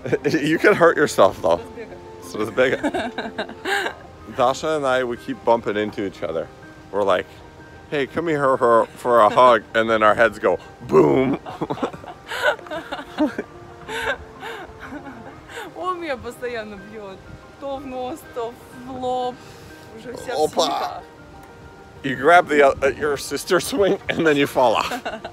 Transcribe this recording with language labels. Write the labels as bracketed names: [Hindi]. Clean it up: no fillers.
[English] You can hurt yourself, though. So it's bigger. Dasha and I, we keep bumping into each other. We're like, hey, come here for a hug, and then our heads go boom. [Russian] Он меня постоянно бьет, то в нос, то в лоб, уже вся в синяках. [English] You grab the your sister swing, and then you fall off.